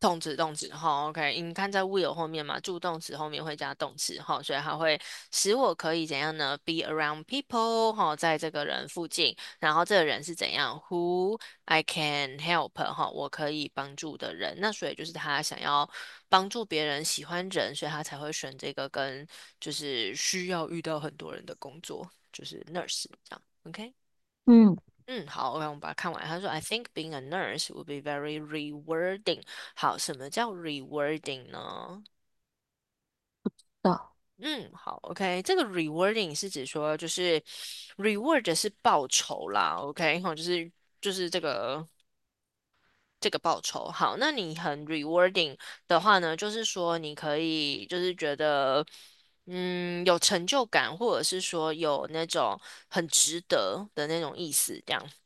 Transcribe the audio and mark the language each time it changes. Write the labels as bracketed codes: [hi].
[zh] 对，动词，好，OK，你看在 will 后面嘛，助动词后面会加动词，好，所以它会使我可以怎样呢？ [en] Be around people， [zh] 好，在这个人附近，然后这个人是怎样？ [en] Who I can help， [zh] 哈，我可以帮助的人，那所以就是他想要。帮助别人，喜欢人，所以他才会选这个跟就是需要遇到很多人的工作，就是 nurse 这样。 OK，好，OK，我们把它看完。他说， [en] I think being a nurse would be very rewarding。 [zh] 好，什么叫 rewarding 呢？好，OK，这个 rewarding 是指说就是 reward 是报酬啦，OK，好，就是这个。这个报酬好，那你很 rewarding 的话呢，就是说你可以就是觉得，有成就感，或者是说有那种很值得的那种意思，这样。